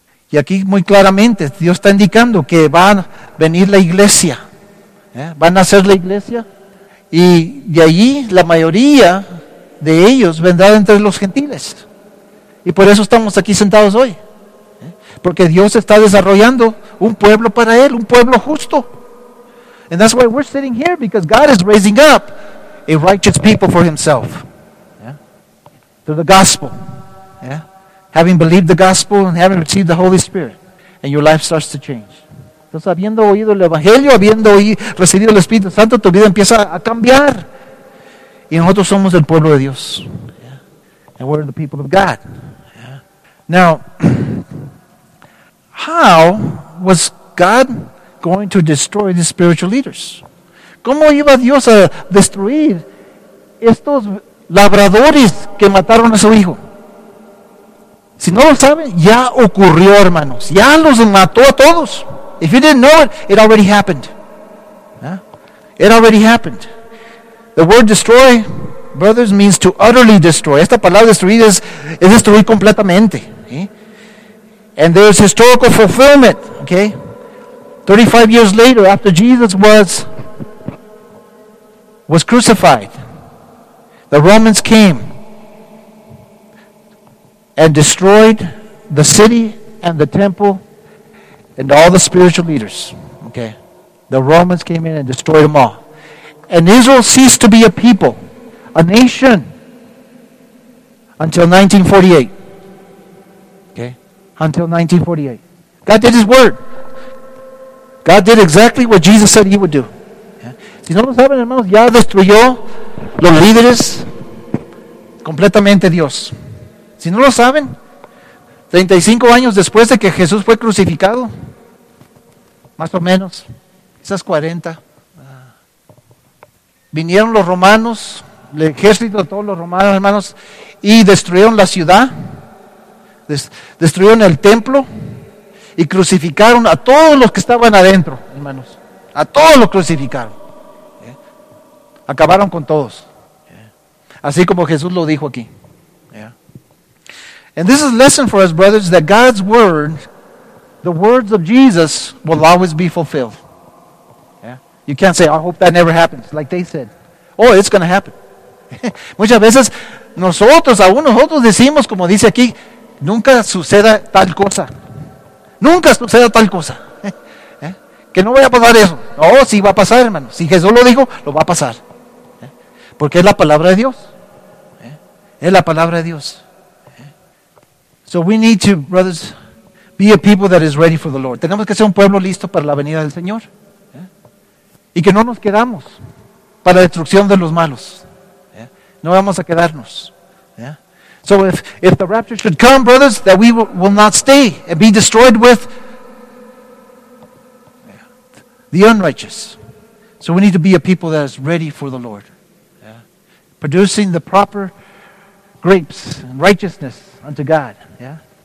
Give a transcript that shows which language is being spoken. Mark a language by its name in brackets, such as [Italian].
[Spanish] Y aquí muy claramente Dios está indicando que va a venir la iglesia. Yeah? Van a ser la iglesia. Y de allí la mayoría de ellos vendrá entre los gentiles. Y por eso estamos aquí sentados hoy. Porque Dios está desarrollando un pueblo para él, un pueblo justo. [English] And that's why we're sitting here, because God is raising up a righteous people for himself. Yeah? Through the gospel. Yeah? Having believed the gospel and having received the Holy Spirit. And your life starts to change. [Spanish] Entonces, habiendo oído el Evangelio, habiendo recibido el Espíritu Santo, tu vida empieza a cambiar. Y nosotros somos el pueblo de Dios. [English] Yeah? And we're the people of God. Yeah? Now, how was God going to destroy the spiritual leaders? [Spanish] ¿Cómo iba Dios a destruir estos labradores que mataron a su hijo? Si no lo saben, ya ocurrió, hermanos. Ya los mató a todos. [English] If you didn't know it, it already happened. Yeah? It already happened. The word destroy, brothers, means to utterly destroy. [Spanish] Esta palabra destruir es destruir completamente. ¿Eh? [English] And there's historical fulfillment, okay? 35 years later, after Jesus was crucified, the Romans came and destroyed the city and the temple and all the spiritual leaders, okay? The Romans came in and destroyed them all. And Israel ceased to be a people, a nation, until 1948. Until 1948. God did his word. God did exactly what Jesus said he would do. Yeah. [Spanish] Si no lo saben, hermanos, ya destruyó los líderes completamente Dios. Si no lo saben, 35 años después de que Jesús fue crucificado, más o menos, esas 40, vinieron los romanos, el ejército de todos los romanos, hermanos, y destruyeron la ciudad. Destruyeron el templo y crucificaron a todos los que estaban adentro, hermanos. A todos los crucificaron. ¿Eh? Acabaron con todos. ¿Eh? Así como Jesús lo dijo aquí. ¿Eh? [English] And this is a lesson for us, brothers, that God's word, the words of Jesus, will always be fulfilled. ¿Eh? You can't say, I hope that never happens, like they said. Oh, it's going to happen. [Spanish] Muchas veces, nosotros, aún nosotros decimos, como dice aquí, nunca suceda tal cosa. Nunca suceda tal cosa. ¿Eh? Que no vaya a pasar eso. No, sí va a pasar, hermano. Si Jesús lo dijo, lo va a pasar. ¿Eh? Porque es la palabra de Dios. ¿Eh? Es la palabra de Dios. ¿Eh? [English] So we need to, brothers, be a people that is ready for the Lord. [Spanish] Tenemos que ser un pueblo listo para la venida del Señor. ¿Eh? Y que no nos quedamos para la destrucción de los malos. ¿Eh? No vamos a quedarnos. [English] So if the rapture should come, brothers, that we will not stay and be destroyed with the unrighteous. So we need to be a people that is ready for the Lord. Yeah. Producing the proper grapes and righteousness unto God. Yeah.